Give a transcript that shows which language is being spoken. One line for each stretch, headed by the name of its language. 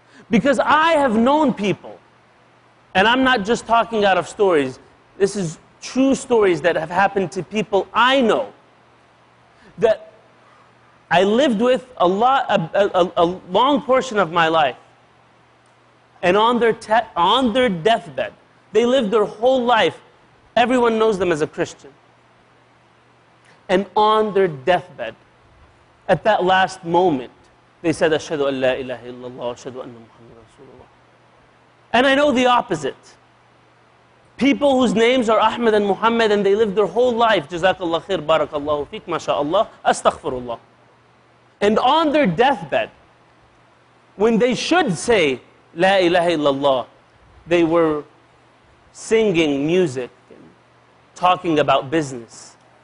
English: Because I have known people, and I'm not just talking out of stories, this is true stories that have happened to people I know, that I lived with a long portion of my life. And on their deathbed, they lived their whole life. Everyone knows them as a Christian. And on their deathbed, at that last moment, they said,
Arabic: أَشْهَدُ أَنْ لَا إِلَهَ إِلَّا اللَّهُ وَأَشْهَدُ أَنَّ مُحَمَّدَ رَسُولُ اللَّهُ.
English: And I know the opposite. People whose names are Ahmed and Muhammad, and they lived their whole life,
Arabic: جزاكَ اللَّهُ خِيرٌ بَارَكَ اللَّهُ فِيكَ مَا شَاءَ اللَّهُ أَسْتَغْفِرُ اللَّهُ.
English: And on their deathbed, when they should say,
Arabic: La ilaha illallah,
English: they were singing music and talking about business.